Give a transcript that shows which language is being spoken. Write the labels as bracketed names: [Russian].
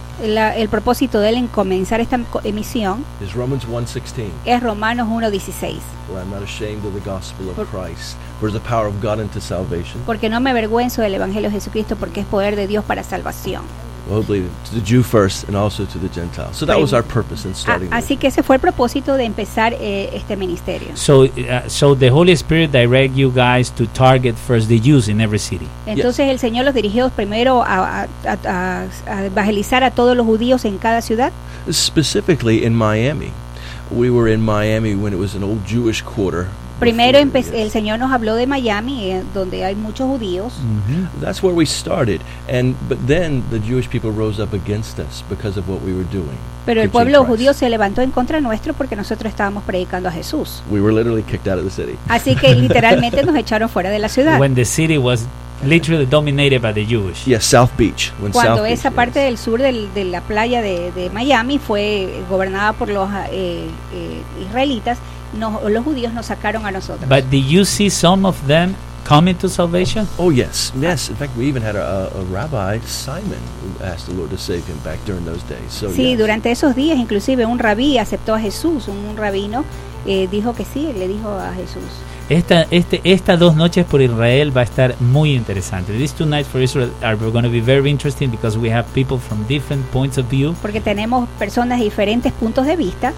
[Spanish] El propósito de él en comenzar esta misión. [English] Is Romans 1:16. [Spanish] Es Romanos 1:16. [English] Well, I'm not ashamed of the gospel of Christ. For the power of God unto salvation. [Spanish] Porque no me avergüenzo del evangelio de Jesucristo, porque es poder de Dios para salvación. [English] Hopefully to the Jew first and also to the Gentiles. So that was our purpose in starting. [Spanish] Así que ese fue el propósito de empezar este ministerio. [English] So the Holy Spirit direct you guys to target first the Jews in every city. [Spanish] Entonces el Señor los dirigió primero a evangelizar a todos los judíos en cada ciudad. [English] Specifically in Miami. We were in Miami when it was an old Jewish quarter. [Spanish] Primero el Señor nos habló de Miami, donde hay muchos judíos. Mm-hmm. [English] That's where we started, and but then the Jewish people rose up against us because of what we were doing. [Spanish] Pero el pueblo judío se levantó en contra nuestro porque nosotros estábamos predicando a Jesús. [English] We were literally kicked out of the city. [Spanish] Así que literalmente nos echaron fuera de la ciudad. [English] When the city was literally dominated by the Jewish. Yes, South Beach. When cuando South [Spanish] esa Beach, parte yes. del sur de la playa de Miami fue gobernada por los israelitas. No, los judíos nos sacaron a nosotros. [English] But did you see some of them coming to salvation? Oh yes, yes. In fact, we even had a rabbi, Simon, who asked the Lord to save him back during those days. So, [Spanish] sí, [English] yes. [Spanish] Durante esos días, inclusive un rabí aceptó a Jesús, un rabino dijo que sí, le dijo a Jesús. Estas dos noches por Israel va a estar muy interesante. [English] These two nights for Israel are going to be very interesting because we have people from different points of view. [Spanish] Porque tenemos personas de diferentes puntos de vista.